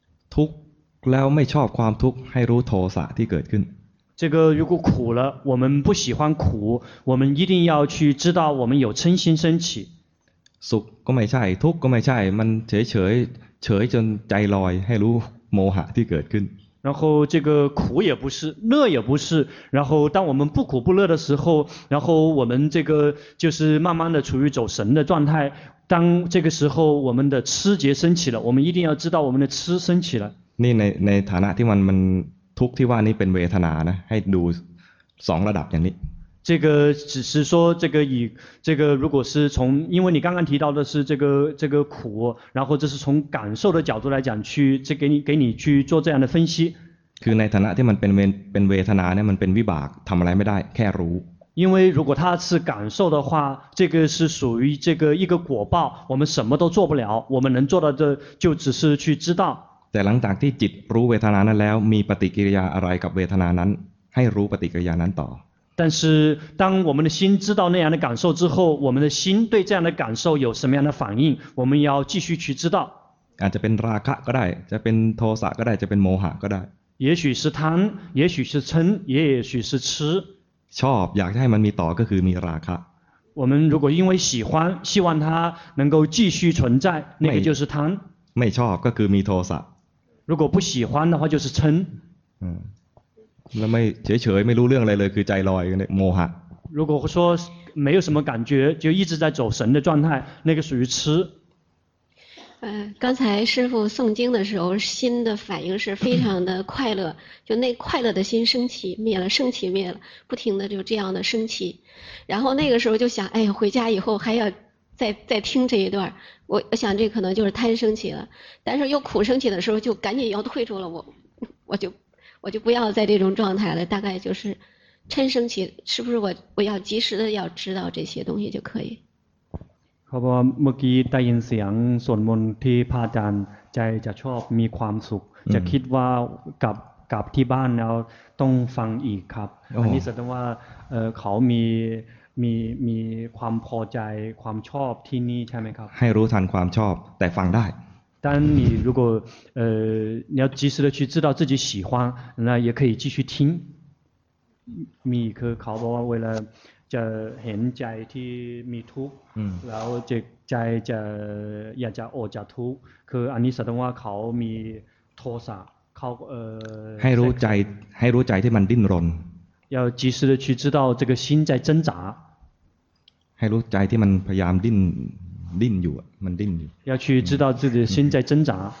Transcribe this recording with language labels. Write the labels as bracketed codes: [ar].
[th] ทุกข์แล้วไม่ชอบความทุกข์ให้รู้โทสะที่เกิดขึ้น เจ้า [zh] 如果苦了我们不喜欢苦我们一定要去知道我们有嗔心升起 [th] สุขก็ไม่ใช่ทุกข์ก็ไม่ใช่มันเฉยจนใจลอยให้รู้โมหะที่เกิดขึ้น [zh] 然后这个苦也不是乐也不是然后当我们不苦不乐的时候然后我们这个就是慢慢的处于走神的状态当这个时候我们的痴结升起了我们一定要知道我们的痴升起了 [th] นี่ในฐานะที่มันทุกที่ว่านี้เป็นเวทนานะให้ดูสองระดับอย่างนี้ [zh] 这个只是说这个以这个如果是从因为你刚刚提到的是这个苦然后这是从感受的角度来讲去这给你去做这样的分析 [th] คือในฐานะที่มันเป็นเวทนาเนี่ยมันเป็นวิบากทำอะไรไม่ได้แค่รู้ [zh] 因为如果它是感受的话这个是属于这个一个果报我们什么都做不了我们能做到的就只是去知道 [th] แต่หลังจากที่จิตรู้เวทนานั้นแล้วมีปฏิกิริยาอะไรกับเวทนานั้นให้รู้ปฏิกิริยานั้นต่อ [zh] 但是当我们的心知道那样的感受之后我们的心对这样的感受有什么样的反应我们要继续去知道 [th] อาจจะเป็นราคะก็ได้จะเป็นโทสะก็ได้จะเป็นโมหะก็ได้ [zh] 也许是贪也许是嗔也许是痴 [th] ชอบอยากให้มันมีต่อก็คือมีราคะ [zh] 我们如果因为喜欢希望它能够继续存在那个就是贪 [th] ไม่ชอบก็คือมีโทสะ [zh] 如果不喜欢的话就是嗔 [th] 那ไม่เฉยเฉยไม่รู้เรื่องอะไรเลยคือใจลอยกันเนี่ยโมหะ [zh] 如果说没有什么感觉就一直在走神的状态那个属于痴刚才师父诵经的时候心的反应是非常的快乐就那快乐的心升起灭了升起灭了不停的就这样的升起然后那个时候就想哎回家以后还要再听这一段我想这可能就是贪升起了但是又苦升起的时候就赶紧要退出了我就不要在这种状态了大概就是嗔升起是不是我要及时的要知道这些东西就可以 [th] เพราะเมื่อกี้ได้ยินเสียงสวดมนต์ที่พระอาจารย์ใจจะชอบมีความสุขจะคิดว่ากลับที่บ้านแล้วต้องฟังอีกครับอันนี้แสดงว่าเขามีความพอใจความชอบที่นี่ใช่ไหมครับ ให้รู้ทันความชอบแต่ฟังได้ [zh] 但你如果你要及时的去知道自己喜欢那也可以继续听 [th] มีคือเขาบอกว่าเวลาจะเห็นใจที่มีทุกข์แล้วจะใจจะอยากจะออกจากทุกข์คืออันนี้แสดงว่าเขามี โทสะเขา ให้รู้ใจให้รู้ใจที่มันดิ้นรน [zh] 要及时的去知道这个心在挣扎 [th] ให้รู้ใจที่มันพยายามดิ้นอยู่มันดิ้นอยู่ [zh] 要去知道自己的心在挣扎